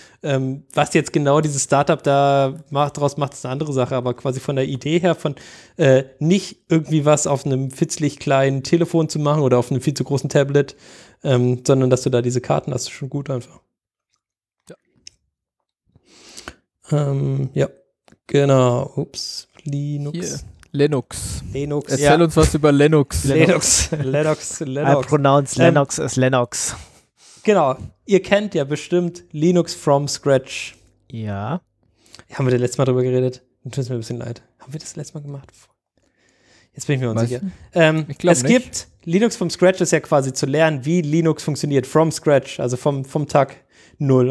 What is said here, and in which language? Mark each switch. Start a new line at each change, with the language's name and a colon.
German: Was jetzt genau dieses Startup da macht, daraus macht, ist eine andere Sache, aber quasi von der Idee her, von nicht irgendwie was auf einem fitzlich kleinen Telefon zu machen oder auf einem viel zu großen Tablet, sondern dass du da diese Karten hast, ist schon gut einfach. Ja, genau. Ups, Linux. Hier. Linux. Erzähl uns was über Linux. Linux.
English: I pronounce Linux as Linux.
German: Genau, ihr kennt ja bestimmt Linux from Scratch. Ja. Haben wir das letzte Mal drüber geredet? Tut mir ein bisschen leid. Haben wir das letzte Mal gemacht? Jetzt bin ich mir unsicher. Ich glaube, es nicht. Gibt Linux from Scratch, ist ja quasi zu lernen, wie Linux funktioniert, from Scratch, also vom Tag Null.